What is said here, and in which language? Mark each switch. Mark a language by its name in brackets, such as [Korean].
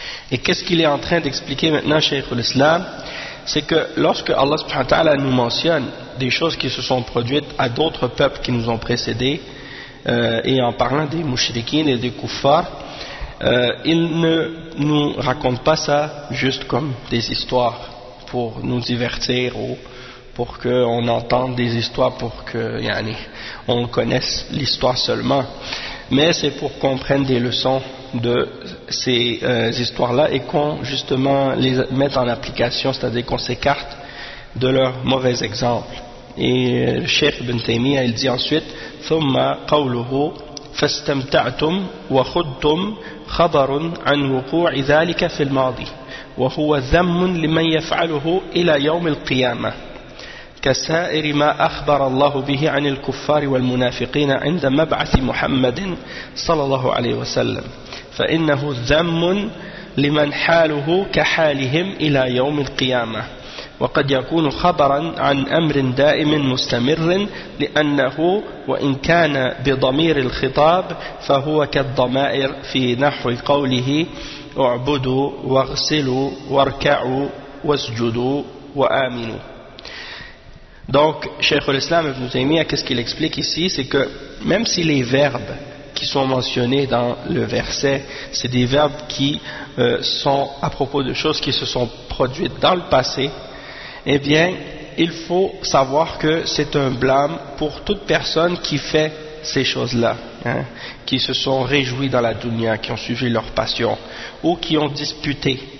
[French] Et qu'est-ce qu'il est en train d'expliquer maintenant, Cheikh al-Islam? C'est que lorsque Allah subhanahu wa ta'ala nous mentionne des choses qui se sont produites à d'autres peuples qui nous ont précédés, et en parlant des mouchriquins et des kuffars, il ne nous raconte pas ça juste comme des histoires pour nous divertir ou pour qu'on entende des histoires, pour qu'on connaisse l'histoire seulement. Mais c'est pour qu'on prenne des leçons de ces histoires-là et qu'on justement les mette en application, c'est-à-dire qu'on s'écarte de leurs mauvais exemples. Et le Cheikh Ibn Taymiyyah, il dit ensuite: [Arabic] ثُمَّ قَوْلُهُ فَاسْتَمْتَعْتُمْ وَخُدْتُمْ خَبَرٌ عَنْ وُقُوعِ ذَلِكَ فِي الْمَاضِي وَهُوَ ذَمٌّ لِمَنْ يَفْعَلُهُ إِلَى يَوْمِ الْقِيَامَةِ كسائر ما أخبر الله به عن الكفار والمنافقين عند مبعث محمد صلى الله عليه وسلم فإنه ذم لمن حاله كحالهم إلى يوم القيامة وقد يكون خبرا عن أمر دائم مستمر لأنه وإن كان بضمير الخطاب فهو كالضمائر في نحو قوله اعبدوا واغسلوا واركعوا واسجدوا وآمنوا. [French] Donc, Cheikh al-Islam Ibn Taymiyyah, qu'est-ce qu'il explique ici? C'est que même si les verbes qui sont mentionnés dans le verset, c'est des verbes qui sont à propos de choses qui se sont produites dans le passé, eh bien, il faut savoir que c'est un blâme pour toute personne qui fait ces choses-là, hein, qui se sont réjouis dans la dunya, qui ont suivi leur passion, ou qui ont disputé.